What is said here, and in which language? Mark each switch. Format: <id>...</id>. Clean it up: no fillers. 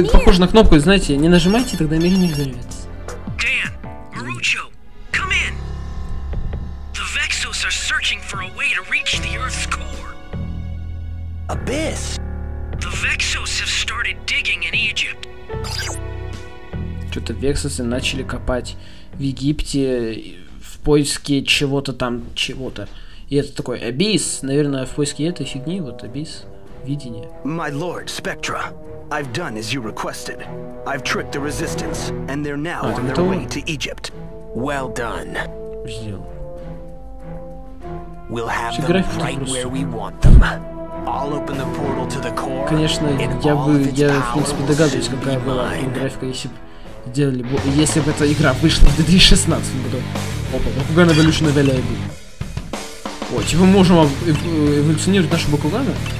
<ru>Это похоже на кнопку, знаете, не нажимайте, тогда мир не взорвется.</ru> <en>Дэн, Гручо, come in. The Vexos are searching for a way to reach the Earth's core. Abyss. The Vexos have started digging in Egypt.</en> <ru>Что-то Вексосы начали копать в Египте в поиске чего-то там, чего-то. И это такой Abyss, наверное, в поиске этой фигни, вот Abyss. Видение.</ru> <en>My lord, Spectra, I've done as you requested. I've tricked the resistance, and they're now on their way to Egypt. Well done.</en> <ru>Сделал.</ru> <en>We'll have them right where we want them. I'll open the portal to the core.</en> <ru>Конечно, я в принципе догадываюсь, какая была графика, если бы делали, если бы эта игра вышла в 2016 году. Опа, Бакуган Эволюшн Эвелиаби. О, типа мы можем эволюционировать нашу Бакугана?</ru>